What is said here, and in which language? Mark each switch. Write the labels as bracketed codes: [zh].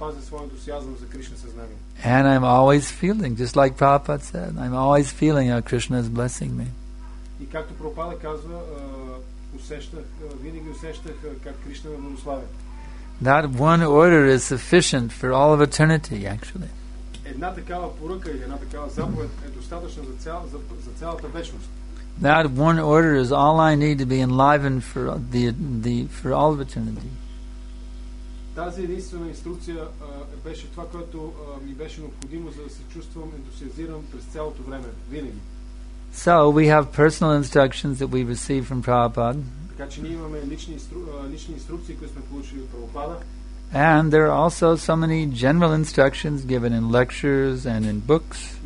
[en] And I'm always feeling, just like Prabhupada said, I'm always feeling how Krishna is blessing me. That one order is sufficient for all of eternity, actually. [bg] Една такава порука или една такава заповед е достатъчна за цялата вечност. [en] That one order is all I need to be enlivened for for all of eternity. [bg] Тази единствена инструкция беше това, което ми беше необходимо, за да се чувствам ентусиазиран през цялото време, винаги. [en] So we have personal instructions that we receive from Prabhupada. [bg] Така че ние имаме лични инструкции, които сме получили от Прабхупада. [en] And there are also so many general instructions given in lectures and in books.